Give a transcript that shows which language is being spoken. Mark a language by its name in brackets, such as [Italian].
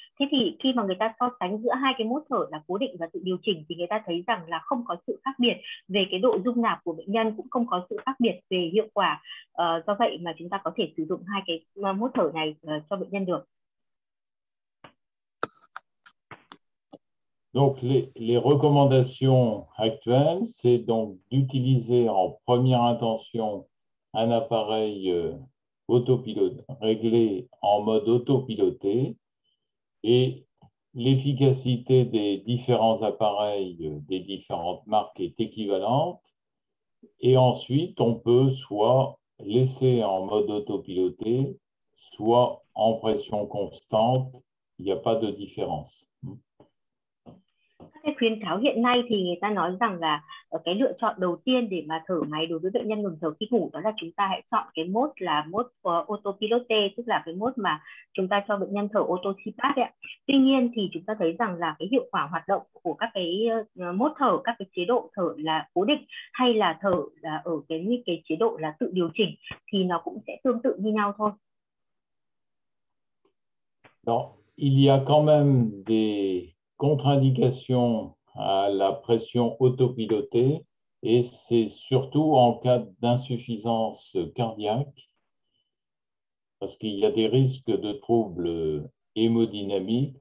[Vietnamese] Thế thì khi mà người ta so sánh giữa hai cái mốt thở là cố định và tự điều chỉnh thì người ta thấy rằng là không có sự khác biệt về cái độ dung nạp của bệnh nhân, cũng không có sự khác biệt về hiệu quả. Do vậy mà chúng ta có thể sử dụng hai cái mốt thở này cho bệnh nhân được. [French] Donc les recommandations actuelles, c'est donc d'utiliser en première intention un appareil autopilote réglé en mode autopiloté et l'efficacité des différents appareils des différentes marques est équivalente. Et ensuite, on peut soit laisser en mode autopiloté, soit en pression constante, il n'y a pas de différence. [Vietnamese] Cái khuyến cáo hiện nay thì người ta nói rằng là cái lựa chọn đầu tiên để mà thở máy đối với bệnh nhân ngừng thở khi ngủ, đó là chúng ta hãy chọn cái mốt là mốt autopilote, tức là cái mốt mà chúng ta cho bệnh nhân thở ô tô CPAP ạ. Tuy nhiên thì chúng ta thấy rằng là cái hiệu quả hoạt động của các cái mốt thở, các cái chế độ thở là cố định hay là thở là ở cái chế độ là tự điều chỉnh thì nó cũng sẽ tương tự như nhau thôi. [French] Đó, il y a quand même des contre-indication à la pression autopilotée et c'est surtout en cas d'insuffisance cardiaque parce qu'il y a des risques de troubles hémodynamiques.